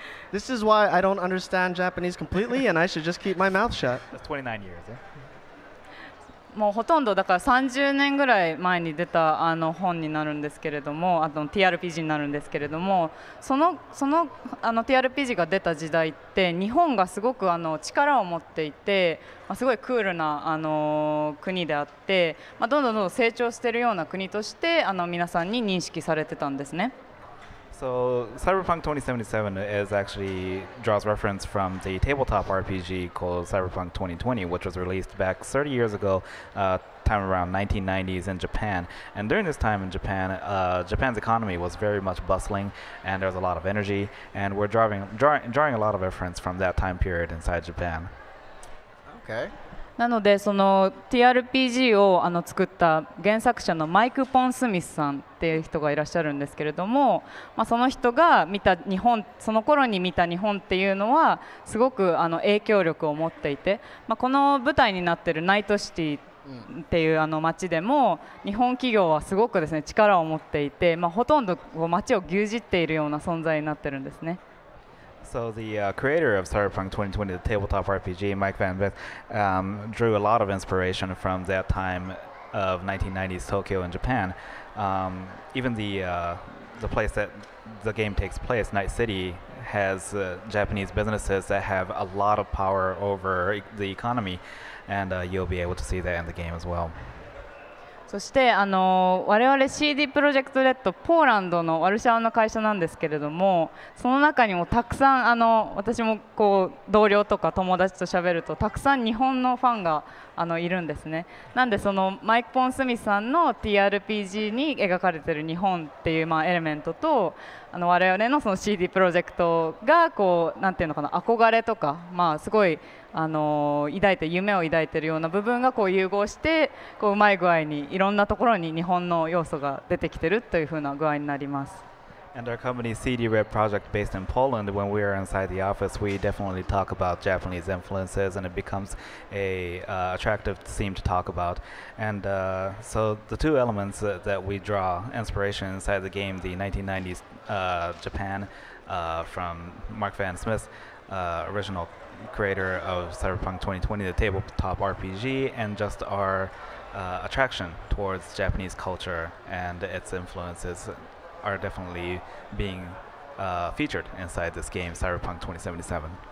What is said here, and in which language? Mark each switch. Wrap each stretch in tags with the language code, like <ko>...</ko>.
<en>This is why I don't understand Japanese completely, and I should just keep my mouth shut. That's 29 years, yeah?</en> <ja>もうほとんどだから30年ぐらい前に出たあの本になるんですけれどもあの TRPG になるんですけれどもその、あの TRPG が出た時代って日本がすごくあの力を持っていてすごいクールなあの国であって、まあ、どんどんどんどん成長しているような国としてあの皆さんに認識されてたんですね。</ja> <en>So Cyberpunk 2077 is actually draws reference from the tabletop RPG called Cyberpunk 2020, which was released back 30 years ago, time around 1990s in Japan. And during this time in Japan, Japan's economy was very much bustling, and there was a lot of energy, and we're drawing a lot of reference from that time period inside Japan. Okay.</en> <ja>なのでその TRPG をあの作った原作者のマイク・ポン・スミスさんっていう人がいらっしゃるんですけれども、まあ、その人が見た日本その頃に見た日本っていうのはすごくあの影響力を持っていて、まあ、この舞台になっているナイトシティっていうあの街でも日本企業はすごくですね力を持っていて、まあ、ほとんどこう街を牛耳っているような存在になってるんですね。</ja> <en>So the creator of Cyberpunk 2020, the tabletop RPG, Mike Van Vith, drew a lot of inspiration from that time of 1990s Tokyo in Japan. Even the place that the game takes place, Night City, has Japanese businesses that have a lot of power over the economy, and you'll be able to see that in the game as well.</en> <ja>そしてあの我々 CD プロジェクトレッドポーランドのワルシャワの会社なんですけれども、その中にもたくさんあの私もこう同僚とか友達と喋るとたくさん日本のファンがあのいるんですね。なんでそのマイク・ポン・スミスさんの TRPG に描かれている日本っていうまあエレメントと、あの我々 の, その CD プロジェクトがこうなんていうのかな、憧れとか、まあすごいあの抱いて夢を抱いているような部分がこう融合して、こ う, うまい具合にいろんなところに日本の要素が出てきているというふうな具合になります。</ja> <en>And our company CD Red Project based in Poland, when we are inside the office we definitely talk about Japanese influences and it becomes a、attractive theme to talk about. And、so the two elements that, that we draw inspiration inside the game, the 1990s、Japan、from Mark Van Smith、originalcreator of Cyberpunk 2020, the tabletop RPG, and just our、attraction towards Japanese culture and its influences are definitely being、featured inside this game, Cyberpunk 2077.</en>